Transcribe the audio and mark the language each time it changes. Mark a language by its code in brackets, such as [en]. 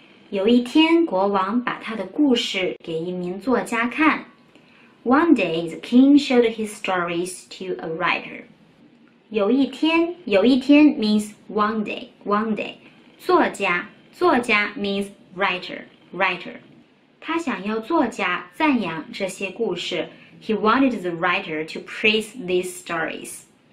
[zh] 有一天国王把他的故事给一名作家看。 [en] One day the king showed his stories to a writer. [zh] 有一天 [en] means one day. 作家 means writer. [zh] 他想要作家赞扬这些故事。 [en] He wanted the writer to praise these stories.